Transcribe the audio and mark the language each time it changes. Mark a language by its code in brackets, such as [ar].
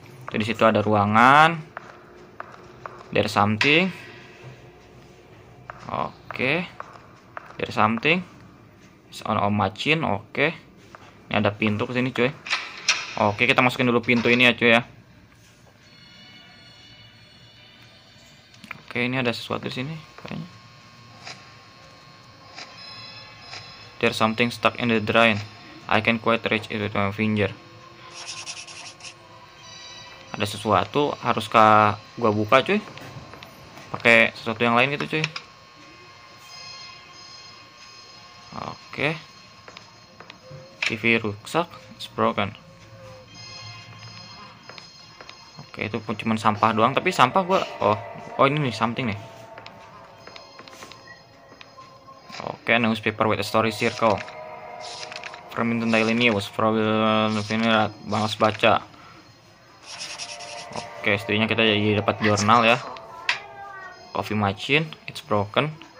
[id] Tuh di situ ada ruangan. [en] There's something. Oke. There's something. It's on a machine. Oke. [id] Ini ada pintu ke sini, cuy. Oke, kita masukin dulu pintu ini ya, cuy ya. Oke, ini ada sesuatu di sini kayaknya. [en] There's something stuck in the drain. I can quite reach it with my finger. [id] Ada sesuatu, haruskah gua buka, cuy? Pakai sesuatu yang lain gitu, cuy. Oke. TV rusak, [en] it's broken. [id] Oke, itu pun cuma sampah doang, tapi sampah gua oh ini nih something nih. [en] Oke, okay, newspaper with a story circle. Remington Daily News, probably finished. [id] Bangas baca. Oke, okay, setidaknya kita jadi dapat jurnal ya. [en] Coffee machine, it's broken.